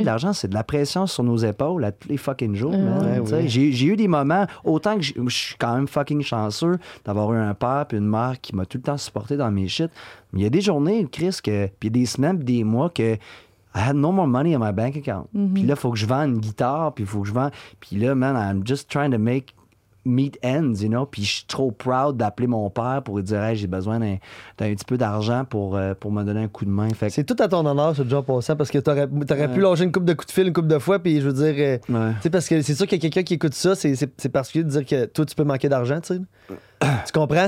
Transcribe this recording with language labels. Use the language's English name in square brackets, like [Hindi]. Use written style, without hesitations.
[French] l'argent, c'est de la pression sur nos épaules à tous les fucking jours. J'ai eu des moments, autant que je suis quand même fucking chanceux d'avoir eu un père et une mère qui m'a tout le temps supporté dans mes shit. Mais il y a des journées, Chris, puis des semaines, des mois que [English] I had no more money in my bank account. Mm-hmm. [French] Puis là, il faut que je vende une guitare, puis il faut que je vende. Puis là, [English] man, I'm just trying to make meet ends, you know. [French] Puis je suis trop proud d'appeler mon père pour lui dire, hey, j'ai besoin d'un petit peu d'argent pour me donner un coup de main. Fait que... C'est tout à ton honneur, ce job passant, parce que t'aurais pu lâcher une couple de coups de fil une couple de fois. Puis je veux dire, tu sais, parce que c'est sûr qu'il y a quelqu'un qui écoute ça, c'est particulier de dire que toi, tu peux manquer d'argent, tu sais. Tu comprends?